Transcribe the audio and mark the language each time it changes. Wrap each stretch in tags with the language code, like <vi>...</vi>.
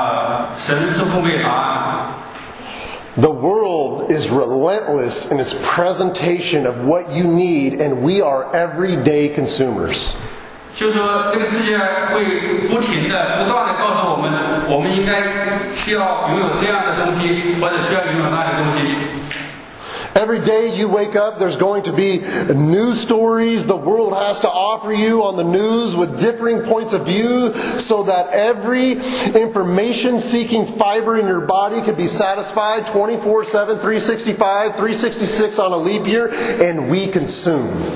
<zh>就是如果我们如果不是一直都在神的话语中间的话那就是说像我们现在生活的这个世界似乎来说有很多的问题神似乎没答案</zh> <en>The world is relentless in its presentation of what you need, and we are everyday consumers.</en> <zh>就是说这个世界会不停的不断的告诉我们，我们应该需要拥有这样的东西，或者需要拥有那些东西。</zh> <en>Every day you wake up, there's going to be news stories the world has to offer you on the news with differing points of view so that every information-seeking fiber in your body can be satisfied 24/7, 365, 366 on a leap year, and we consume.</en>